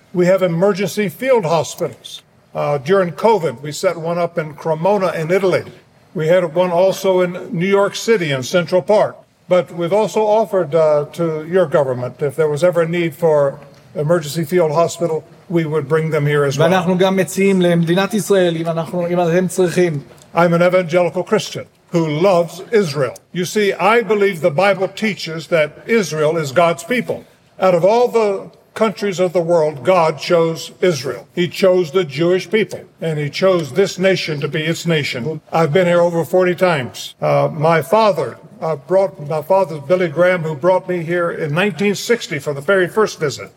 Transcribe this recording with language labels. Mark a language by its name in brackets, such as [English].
[English] We have emergency field hospitals. During COVID, we set one up in Cremona in Italy. We had one also in New York City in Central Park. But we've also offered to your government, if there was ever a need for emergency field hospital, we would bring them here as well. [Hebrew] ואנחנו גם מציעים למדינת ישראל, אם אתם צריכים. [English] I'm an evangelical Christian who loves Israel. You see, I believe the Bible teaches that Israel is God's people. Out of all the countries of the world, God chose Israel. He chose the Jewish people, and he chose this nation to be its nation. I've been here over 40 times. My father, Billy Graham, who brought me here in 1960 for the very first visit.